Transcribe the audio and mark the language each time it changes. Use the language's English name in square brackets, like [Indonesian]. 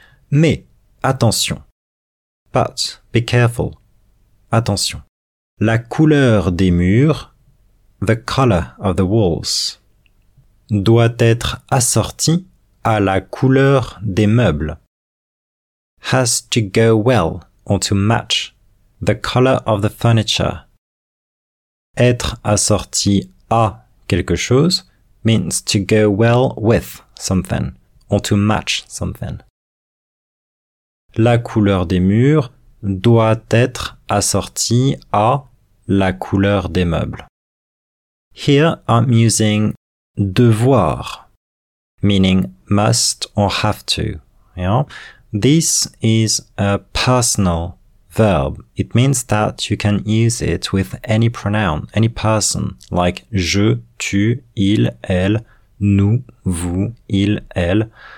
[French] Mais, attention. [English] But, be careful. [French] Attention. La couleur des murs, [English] the color of the walls, [French] doit être assortie à la couleur des meubles. [English] Has to go well or to match the color of the furniture. [French] Être assorti à quelque chose [English] means to go well with something or to match something. [French] La couleur des murs doit être assortie à la couleur des meubles. [English] Here I'm using devoir, meaning must or have to. Yeah? This is a personal verb. It means that you can use it with any pronoun, any person, like je, tu, il, elle, nous, vous, il, elle.